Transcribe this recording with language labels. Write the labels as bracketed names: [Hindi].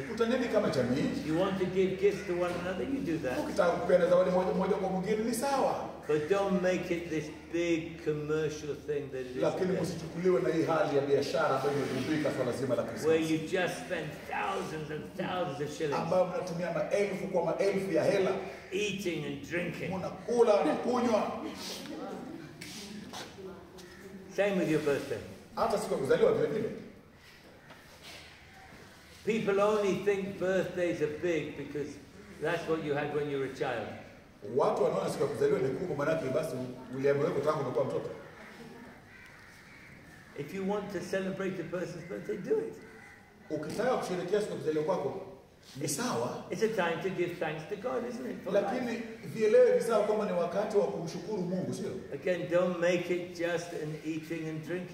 [Swahili] Kutaneni kama jamii. [English] You want to give gifts to one another, you do that. [Swahili] Ukitaka kupeana zawadi moja kwa mwingine ni sawa. [English] But don't make it this big commercial thing that it is. [Swahili] Lakini msichukuliwe na hii hali ya biashara ambayo imeridhika kwa lazima la Krismasi. [English] Where you just spend thousands and thousands of shillings. [Swahili] Ambao mnatumia maelfu kwa maelfu ya hela. [English] Eating and drinking. [Swahili] Mnakula na kunywa. [English] Same with your birthday. [Swahili] Hata siku ya kuzaliwa vile vile. [English] People only think birthdays are big because that's what you had when you were a child. [Swahili] Watu wanaona siku ya kuzaliwa ni kubwa maana yake basi uliambiwa kwa tangu umekuwa mtoto. [English] If you want to celebrate a person's birthday, do it. [Swahili] Ukitaka kusherehekea siku ya kuzaliwa kwako, Ni sawa. [English] It's a time to give thanks to God, isn't it? [Swahili] Lakini vielewe sawa kwamba ni wakati wa kumshukuru Mungu, sio? [English] Again, don't make it just an eating and drinking.